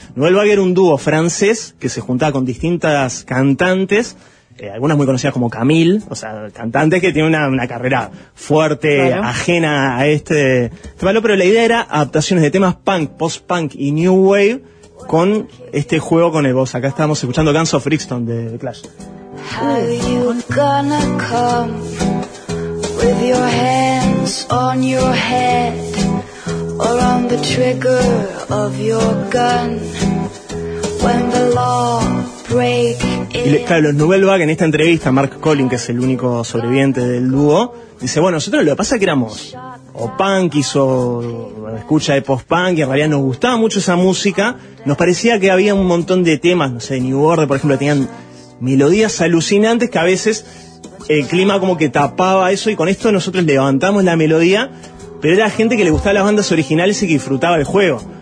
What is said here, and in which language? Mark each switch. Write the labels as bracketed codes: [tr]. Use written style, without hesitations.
[es] Nouvelle Vague era un dúo francés que se juntaba con distintas cantantes. Algunas muy conocidas como Camille, o sea, cantantes que tienen una carrera fuerte, claro, ajena a este palo, pero la idea era adaptaciones de temas punk, post-punk y new wave con este juego con el voz. Acá estábamos escuchando Guns of Brixton de The Clash. [en] How you gonna come with your hands on your head or on the trigger of your gun when the law break? [es] Y claro, los Nouvelle Vague en esta entrevista, Mark Colin, que es el único sobreviviente del dúo, dice: bueno, nosotros lo que pasa es que éramos o punkis o escucha de post-punk, y en realidad nos gustaba mucho esa música. Nos parecía que había un montón de temas, no sé, de New Order, por ejemplo, tenían melodías alucinantes que a veces el clima como que tapaba eso, y con esto nosotros levantamos la melodía, pero era gente que le gustaba las bandas originales y que disfrutaba el juego.